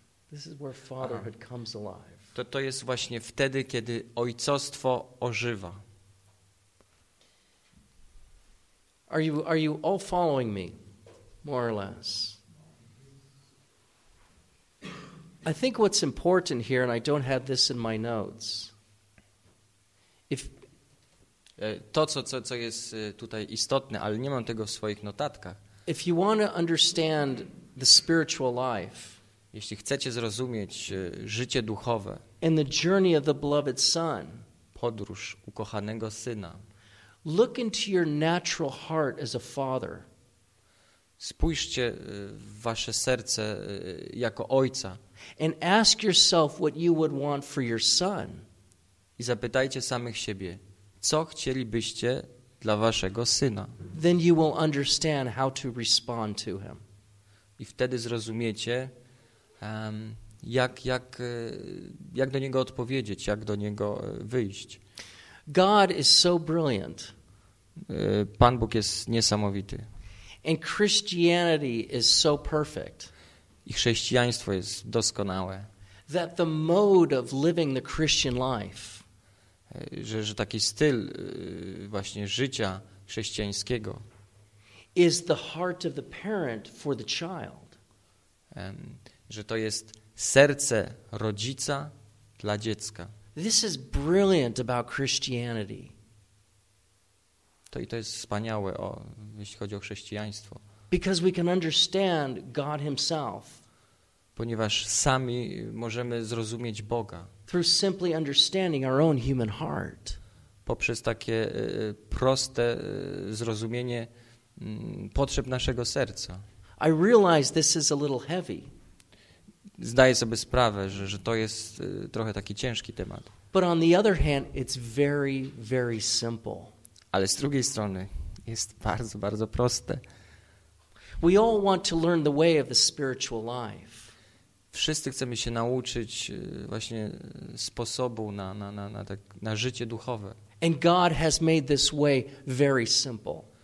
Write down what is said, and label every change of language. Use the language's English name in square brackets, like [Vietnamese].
[English] This is where fatherhood comes alive. [Polish] To jest właśnie wtedy, kiedy ojcostwo ożywa. [English] Are you all following me, more or less? I think what's important here, and I don't have this in my notes. If [Polish] to, co jest tutaj istotne, ale nie mam tego w swoich notatkach. [English] If you want to understand the spiritual life, [Polish] jeśli chcecie zrozumieć życie duchowe, [English] and the journey of the beloved son, [Polish] podróż ukochanego syna, [English] look into your natural heart as a father. [Polish] Spójrzcie w wasze serce jako ojca. [English] And ask yourself what you would want for your son. [Polish] I zapytajcie samych siebie, co chcielibyście dla waszego syna. [English] Then you will understand how to respond to him. [Polish] I wtedy zrozumiecie, jak do niego odpowiedzieć, jak do niego wyjść. [English] God is so brilliant. [Polish] Pan Bóg jest niesamowity. [English] And Christianity is so perfect. [Polish] I chrześcijaństwo jest doskonałe. [English] That the mode of living the Christian life, [Polish] że taki styl właśnie życia chrześcijańskiego, [English] is the heart of the parent for the child. [Polish] Że to jest serce rodzica dla dziecka. [English] This is brilliant about Christianity. [Polish] To i to jest wspaniałe, jeśli chodzi o chrześcijaństwo. [English] Because we can understand God himself. [Polish] Ponieważ sami możemy zrozumieć Boga. [English] Through simply understanding our own human heart. [Polish] Poprzez takie proste zrozumienie potrzeb naszego serca. [English] I realize this is a little heavy. [Polish] Zdaję sobie sprawę, że to jest trochę taki ciężki temat. [English] But on the other hand, it's very, very simple. [Polish] Ale z drugiej strony jest bardzo, bardzo proste. [English] We all want to learn the way of the spiritual life. [Polish] Wszyscy chcemy się nauczyć właśnie sposobu na życie duchowe. [English] And God has made this way very simple.